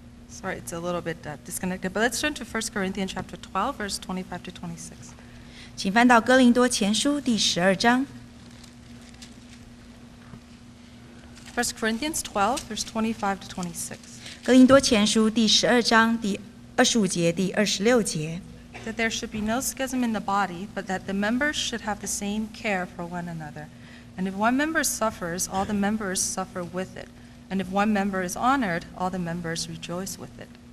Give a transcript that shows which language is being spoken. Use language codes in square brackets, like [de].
[en] Sorry, it's a little bit disconnected, but let's turn to 1 Corinthians chapter 12, verse 25 to 26. [zh] 请翻到哥林多前书第十二章。 [en] 1 Corinthians 12, verse 25 to 26. [zh] 哥林多前书第十二章第二十五节第二十六节。 [en] That there should be no schism in the body, but that the members should have the same care for one another. And if one member suffers, all the members suffer with it. And if one member is honored, all the members rejoice with it.